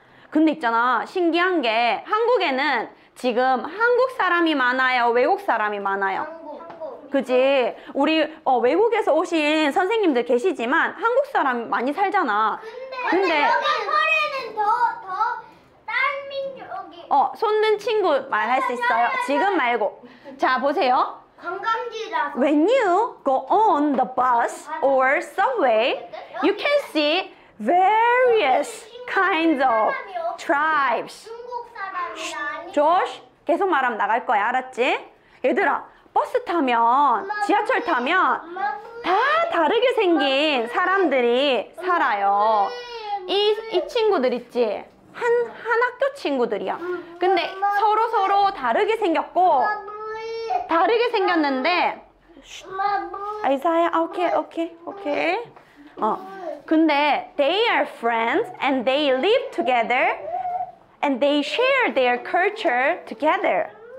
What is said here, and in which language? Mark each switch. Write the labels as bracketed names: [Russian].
[Korean] 근데 있잖아, 신기한 게 한국에는 지금 한국 사람이 많아요, 외국 사람이 많아요? 그지? 우리 외국에서 오신 선생님들 계시지만 한국 사람 많이 살잖아. 근데 여기는 더 민족이. 손든 친구 말할 수 있어요? 지금 말고. 자, 보세요. 관광지라서. [English] When you go on the bus or subway, you can see various kinds of tribes. [Korean] 조슈, 계속 말하면 나갈 거야, 알았지? 얘들아, 버스 타면, 지하철 타면 다 다르게 생긴 사람들이 살아요. 이 친구들 있지? 한 학교 친구들이야. 근데 서로 서로 다르게 생겼고 다르게 생겼는데 아이사야, 오케이. 근데 [English] they are friends and they live together and they share their culture together.